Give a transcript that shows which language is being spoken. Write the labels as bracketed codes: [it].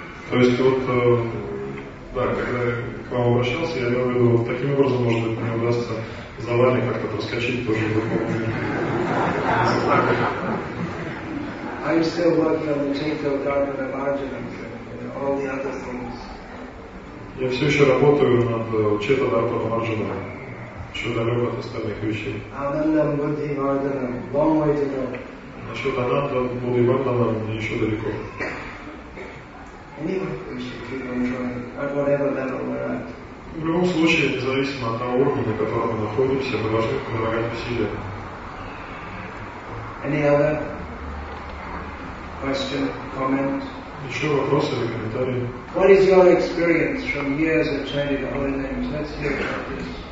[ru] То есть вот, да, когда я к вам обращался, я имел в виду, вот таким образом, может быть, мне удастся за вами как-то проскочить тоже в духовном мире. [en] I still work on the Chaitanya Garbhana Arjuna and all the other things. [ru] Я все еще работаю над Chaitanya Garbhana Arjuna. Еще далеко от остальных вещей. [en] Ananda Buddhi Vardhana. Long way to go. [ru] Насчет Ананда Буддхи Вардхана мне еще далеко. [en] Anyway, we should keep on trying at whatever level we're at. [ru] В любом случае, независимо от того уровня, на котором мы находимся, мы должны прилагать усилия. [en] Any other question, comment? [ru] Еще вопросы или комментарии? [en] What is your experience from years of chanting the holy names? Let's hear about this.